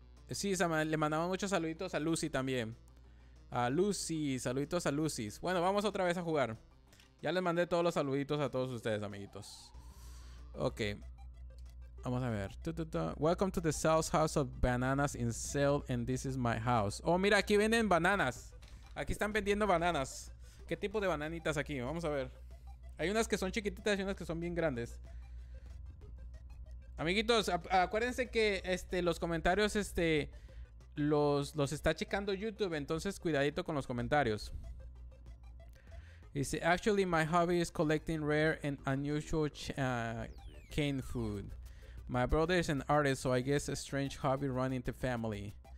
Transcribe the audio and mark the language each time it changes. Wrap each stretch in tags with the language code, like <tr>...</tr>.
<es>Sí, le mandamos muchos saluditos a Lucy también. A Lucy, saluditos a Lucy. Bueno, vamos otra vez a jugar. Ya les mandé todos los saluditos a todos ustedes, amiguitos. Ok. Vamos a ver.</es> <en>Welcome to the sales house of bananas in sale, and this is my house.</en> <es>Oh, mira, aquí venden bananas. Aquí están vendiendo bananas. ¿Qué tipo de bananitas aquí? Vamos a ver. Hay unas que son chiquititas y unas que son bien grandes. Amiguitos, acuérdense que los comentarios los está checando YouTube. Entonces, cuidadito con los comentarios.</es> <en>Dice, actually, my hobby is collecting rare and unusual cane food. My brother is an artist, so I guess a strange hobby run into family.</en>